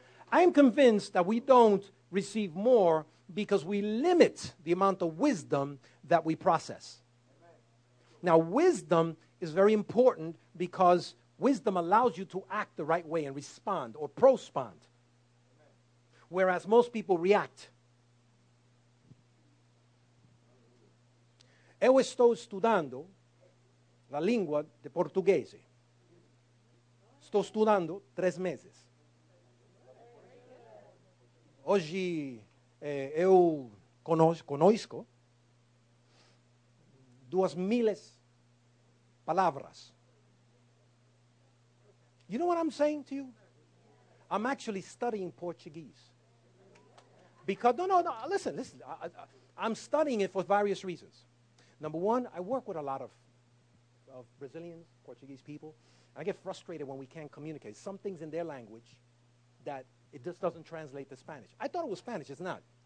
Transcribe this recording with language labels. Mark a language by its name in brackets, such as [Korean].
[English] I am convinced that we don't receive more because we limit the amount of wisdom that we process. Now, wisdom is very important because wisdom allows you to act the right way and respond or prospond. Whereas most people react. [Portuguese] Eu estou estudando la lingua de portuguese. Estou estudando 3 meses. Hoje eu conosco 2,000 palavras. [English] You know what I'm saying to you? I'm actually studying Portuguese. Because, listen. I'm studying it for various reasons. Number one, I work with a lot of Brazilians, Portuguese people. I get frustrated when we can't communicate. Something's in their language that it just doesn't translate to Spanish. I thought it was Spanish. It's not.